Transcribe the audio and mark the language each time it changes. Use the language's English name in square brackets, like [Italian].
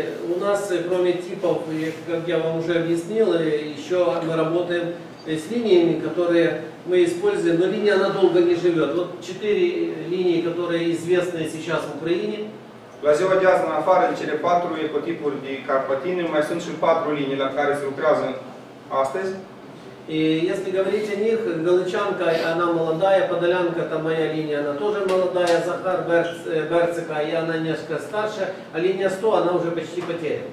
[Russian] У нас, кроме типов, как я вам уже объяснил, еще мы работаем с линиями, которые мы используем, но линия она долго не живет. Вот четыре линии, которые известны сейчас в Украине. [Romanian] La ziua de azi, în afară de cele patru ecotipuri de carpatine, mai sunt și patru linii la care se lucrează astăzi. [Russian] И если говорить о них, Галичанка, она молодая, Подолянка, это моя линия, она тоже молодая, Захар Берцика, и она несколько старше, а линия 100, она уже почти потеряна.